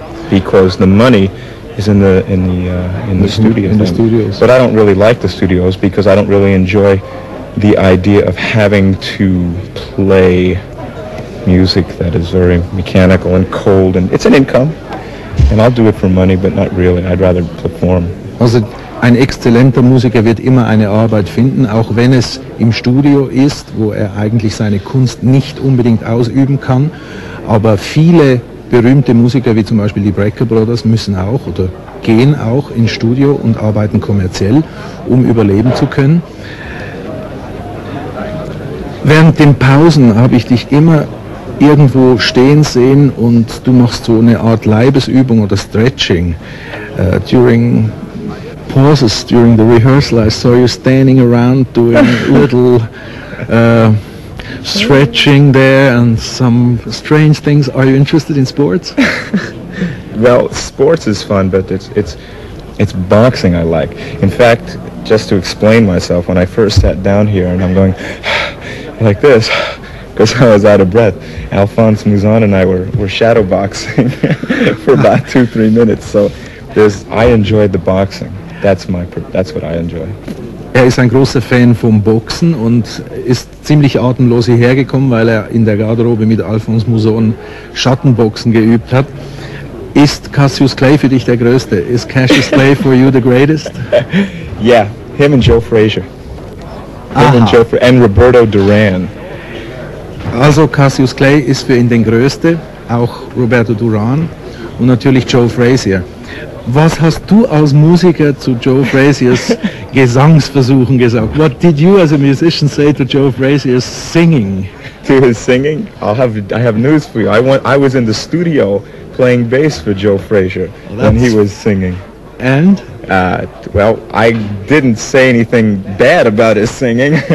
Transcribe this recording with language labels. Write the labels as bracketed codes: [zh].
[en] Because the money is in the studios. But I don't really like the studios because I don't really enjoy the idea of having to play music that is very mechanical and cold, and it's an income. And I'll do it for money, but not really. I'd rather perform. [de] Also, ein exzellenter Musiker wird immer eine Arbeit finden, auch wenn es im Studio ist, wo er eigentlich seine Kunst nicht unbedingt ausüben kann. Aber viele berühmte Musiker wie zum Beispiel die Brecker Brothers müssen auch oder gehen auch ins Studio und arbeiten kommerziell, um überleben zu können. Während den Pausen habe ich dich immer irgendwo stehen sehen und du machst so eine Art Leibesübung oder Stretching. [en] During pauses during the rehearsal, I saw you standing around doing little stretching there and some strange things. Are you interested in sports? Well, sports is fun, but it's boxing I like. In fact, just to explain myself, when I first sat down here and I'm going like this because I was out of breath, Alphonse Mouzon and I were shadow boxing for about 2-3 minutes. So I enjoyed the boxing. That's what I enjoy. [de] Er ist ein großer Fan vom Boxen und ist ziemlich atemlos hierher gekommen, weil er in der Garderobe mit Alphonse Mouzon Schattenboxen geübt hat. Ist Cassius Clay für dich der Größte? [en] Is Cassius Clay for you the greatest? Yeah, him and Joe Frazier. And Roberto Duran. [de] Also Cassius Clay ist für ihn den Größte, auch Roberto Duran und natürlich Joe Frazier. Was hast du als Musiker zu Joe Frazier's Gesangsversuchen gesagt? [en] What did you as a musician say to Joe Frazier's singing? To his singing? I have news for you. I was in the studio playing bass for Joe Frazier when he was singing. And? Well, I didn't say anything bad about his singing.